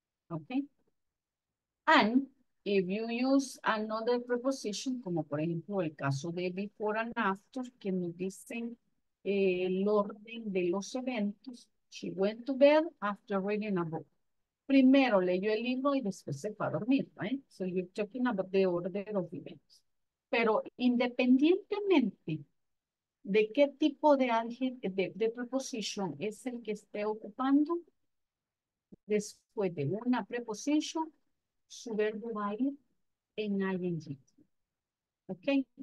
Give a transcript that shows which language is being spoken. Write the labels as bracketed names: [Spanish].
[English] ¿Ok? And if you use another preposition, como por ejemplo el caso de before and after, que nos dicen el orden de los eventos, she went to bed after reading a book. [Spanish] Primero leyó el libro y después se fue a dormir, right? [English] So you're talking about the order of events. [Spanish] Pero independientemente de qué tipo de preposición es el que esté ocupando, después de una preposición, su verbo va a ir en ing. ¿Ok?